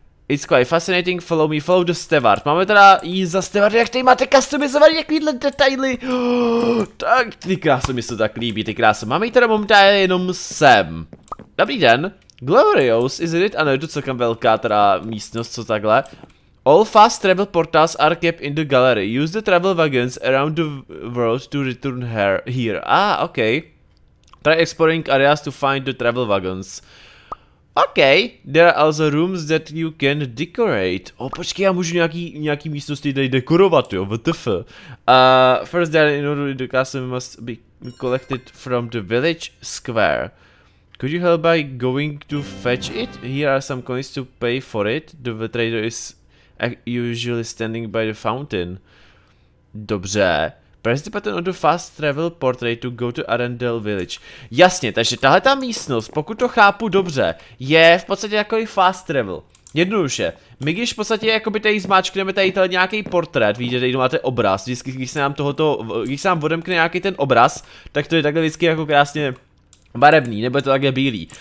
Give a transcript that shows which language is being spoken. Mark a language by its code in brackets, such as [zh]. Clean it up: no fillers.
[en] It's quite fascinating, follow me, follow the Stewart. [cs] Máme teda jít za Stewart, jak tady máte customizovat jakovýhle detaily. Oh, tak ty krásy mi se tak líbí, ty krásy. Máme jít teda momentálně jenom sem. Dobrý den. [en] Glorious, isn't it? [cs] Ano, je to celkem velká teda místnost, co takhle. [en] All fast travel portals are kept in the gallery. Use the travel wagons around the world to return here. Ah, okay. Try exploring areas to find the travel wagons. Okay, there are also rooms that you can decorate. [cs] Oh, počkej, já můžu nějaký místnosti tady dekorovat, jo, WTF. [en] First there in order the castle must be collected from the village square. Could you help by going to fetch it? Here are some coins to pay for it. The trader is usually standing by the fountain. Dobře. Press the button on the fast travel portrait to go to Arendelle Village. [cs] Jasně, takže tahle ta místnost, pokud to chápu dobře, je v podstatě jako i fast travel. Jednoduše, my když v podstatě jakoby tady zmáčkneme tady tady nějaký portrét, vidíte, tady máte obraz, vždycky, když se nám odemkne nějaký ten obraz, tak to je takhle vždycky jako krásně barevný, nebo je to takhle bílý.